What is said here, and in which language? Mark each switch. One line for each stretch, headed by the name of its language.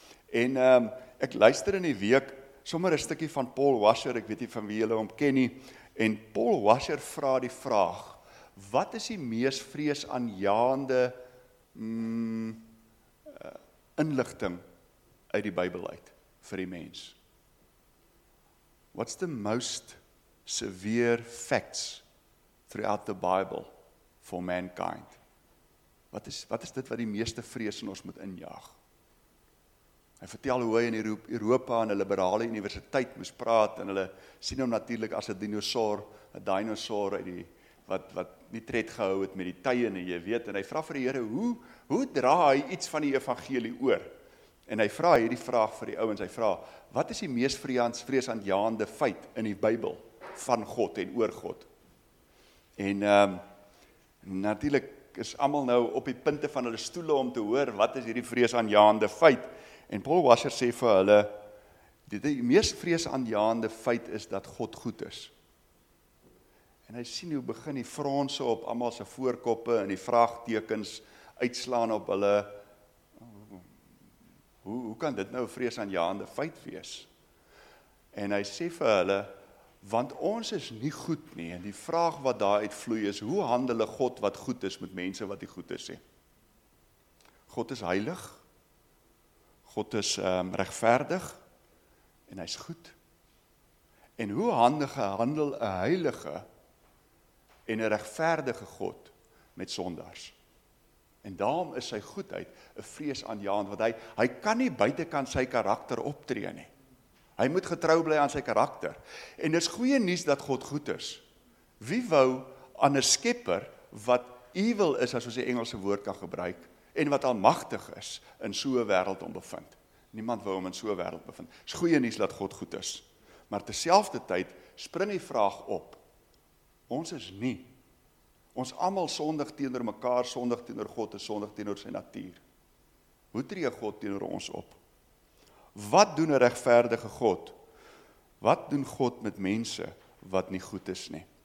Afrikaans: En ek luister in die week sommer 'n stukkie van Paul Washer, ek weet nie van wie julle hom ken nie, en Paul Washer vra die vraag: wat is die mees vreesaanjaande inligting uit die Bybel uit vir die mens?
English: What's the most severe facts throughout the Bible for mankind?
Afrikaans: Wat is dit wat die meeste vrees in ons moet injaag? Hy vertel hoe hy in Europa aan 'n liberale universiteit moes praat en hulle sien hom natuurlik as 'n dinosaur, 'n dinosaur uit die wat nie tred gehou het met die tye nie, jy weet, en hy vra vir die Here, hoe dra hy iets van die evangelie oor? En hy vra hierdie vraag vir die ouens, hy vra: "Wat is die mees vreesaanjaande feit in die Bybel van God en oor God?" En natuurlik is almal nou op die punte van hulle stoele om te hoor wat is hierdie vreesaanjaande feit. En Paul Washer sê vir hulle, die mees vreesaanjaande feit is dat God goed is. En hy sien hoe begin die fronse op almal se voorkoppe en die vraagtekens uitslaan op hulle. Hoe kan dit nou vreesaanjaande feit wees? En hy sê vir hulle, want ons is nie goed nie. En die vraag wat daar uitvloei is, hoe handel God wat goed is met mense wat nie goed is nie? God is heilig. God is regverdig en hy's goed. En hoe handel 'n heilige en 'n regverdige God met sondaars? En daarom is sy goedheid 'n vreesaanjaend, want hy kan nie buitekant sy karakter optree nie. Hy moet getrou bly aan sy karakter. En dis goeie nuus dat God goed is. Wie wou aan 'n skepper wat evil is, as ons die Engelse woord kan gebruik, en wat almagtig is, in so 'n wêreld ombevind? Niemand wou hom in so 'n wêreld bevind. Dis goeie nuus dat God goed is. Maar terselfdertyd spring die vraag op. Ons is nie. Ons almal sondig teenoor mekaar, sondig teenoor God en sondig teenoor sy natuur. Hoe tree God teenoor ons op? Wat doen 'n regverdige God? Wat doen God met mense wat nie goed is nie?